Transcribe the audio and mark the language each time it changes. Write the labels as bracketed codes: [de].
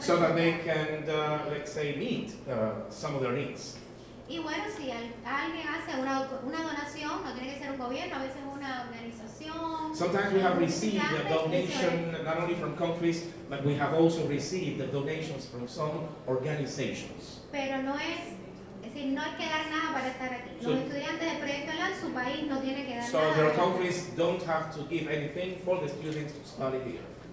[en] so that they can, let's say, meet some of their needs. [es] Y bueno, si alguien hace una donación, no tiene que ser un gobierno, a veces una organización. [en] Sometimes we have received a donation, not only from countries, but we have also received the donations from some organizations. [es] Pero no es, es decir, no hay que dar nada para estar aquí. Los estudiantes del proyecto LAN, su país no tiene que dar [en] so [es] nada. [en] So their countries don't have to give anything for the students to study here.